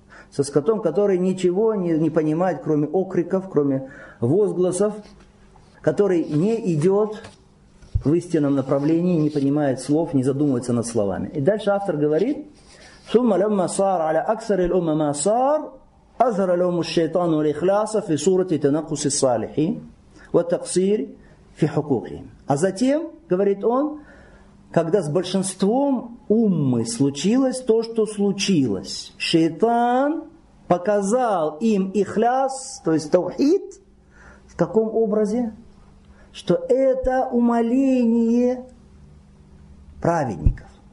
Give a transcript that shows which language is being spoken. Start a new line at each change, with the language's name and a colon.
Russian: Со скотом, который ничего не понимает, кроме окриков, кроме возгласов, который не идет в истинном направлении, не понимает слов, не задумывается над словами. И дальше автор говорит,
Arabic: «Сумма лямма сар аля аксар иль умма сар». أظهر لهم الشيطان والإخلاص في صورة تنقص الصالحين والتقصير في حقوقهم.
Russian: А затем, говорит он, когда с большинством уммы случилось то, что случилось, шайтан показал им ихляс, то есть таухид, в каком образе? Что это умаление праведников.